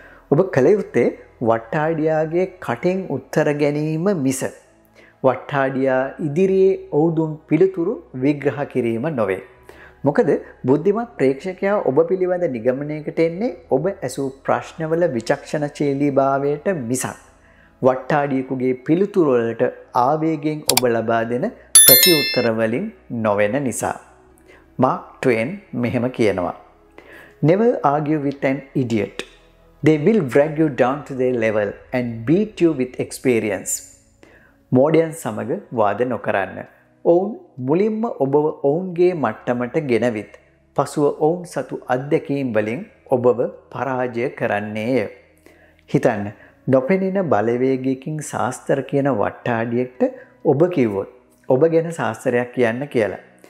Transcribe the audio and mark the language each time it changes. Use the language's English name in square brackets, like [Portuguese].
[Sinhala] ඔබ කළ යුත්තේ වට්ටාඩියාගේ කටින් උත්තර ගැනීම මිස වට්ටාඩියා ඉදිරියේ ඔවුදුන් පිළිතුරු විග්‍රහ කිරීම නොවේ. මොකද බුද්ධිමත් ප්‍රේක්ෂකයා ඔබ පිළිබඳ නිගමනයකට එන්නේ ඔබ ඇසූ ප්‍රශ්නවල විචක්ෂණශීලීභාවයට මිසක් වට්ටාඩියෙකුගේ පිළිතුරුවලට ආවේගයෙන් ඔබ ලබා දෙන ප්‍රතිඋත්තර වලින් නොවන නිසා. මාක් ට්වේන් මෙහෙම කියනවා, [English] Never argue with an idiot. They will drag you down to their level and beat you with experience. [Sinhala] මෝඩයන් සමග වාද නොකරන්න. ඔවුන් මුලින්ම ඔබව ඔවුන්ගේ මට්ටමට ගෙනවිත් පසුව ඔවුන් සතු අත්දැකීම් වලින් ඔබව පරාජය කරන්නේය. හිතන්න, නොපෙනෙන බලවේගයකින් සාස්තර කියන වට්ටාඩියෙක්ට ඔබ කිව්වොත් ඔබ ගැන සාස්තරයක් කියන්න කියලා.